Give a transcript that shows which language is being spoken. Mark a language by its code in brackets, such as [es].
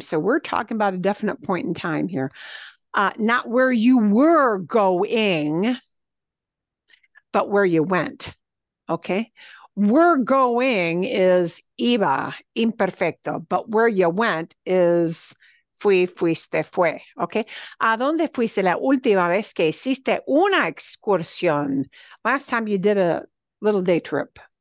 [en] So we're talking about a definite point in time here. Not where you were going, but where you went, okay? We're going is iba, imperfecto, but where you went is fuiste, fue, okay? [es] ¿A dónde fuiste la última vez que hiciste una excursión? [en] Last time you did a little day trip.